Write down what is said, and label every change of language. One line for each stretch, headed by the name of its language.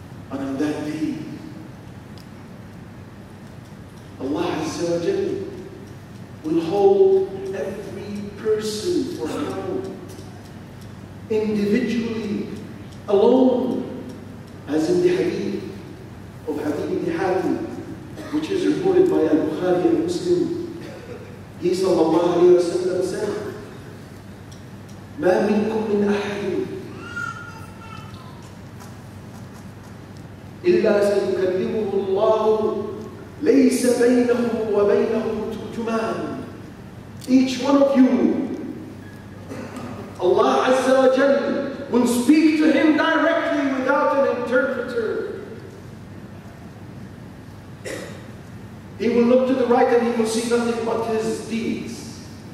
English: And on that day, Allah Azza wa Jalla will hold every person for account individually, alone, as in the hadith of Hadith ibn Hatim, which is reported by Al-Bukhari and Muslim. He sallallahu alayhi wa sallam said,
Arabic: ما منكم من أحد إلا سيكلمه الله ليس بينه وبينه ترجمان.
English: Each one of you, Allah Azza wa Jalla will speak to him directly without an interpreter. He will look to the right and he will see nothing but his deeds.